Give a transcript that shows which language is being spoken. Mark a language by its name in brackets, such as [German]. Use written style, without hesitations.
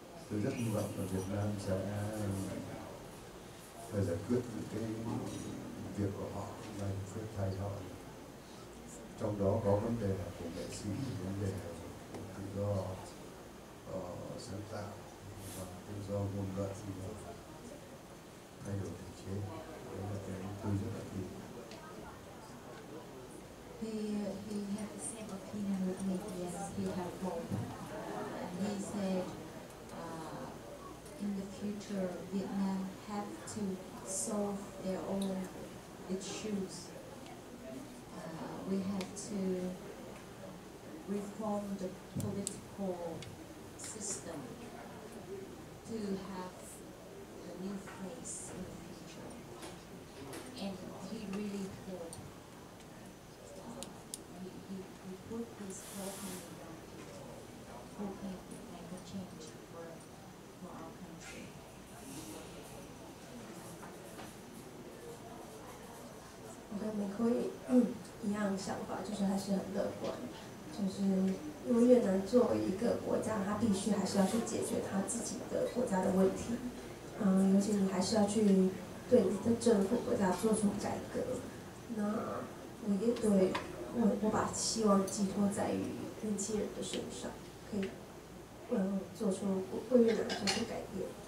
[Vietnamese] Tôi rất hy vọng là Việt Nam sẽ phải giải quyết những cái việc của họ, giải quyết thay họ. Trong đó có vấn đề của nghệ sĩ, vấn đề của tự do sáng tạo và tự do ngôn luận thì thay đổi thể chế. Đó là cái tôi rất là hy vọng. [English] He had the same opinion with me, yes, he had hope. And he said, in the future, Vietnam have to solve their own issues. We have to reform the political system to have a new face in the future. And he really hoped. He put his hope in young people, hoping to make a change for our country. Okay, Mikoy. [Chinese] 的想法，就是还是很乐观，就是因为越南作为一个国家，他必须还是要去解决他自己的国家的问题，尤其你还是要去对你的政府国家做出改革。那我也对我把希望寄托在于年轻人的身上，可以做出为越南做出改变。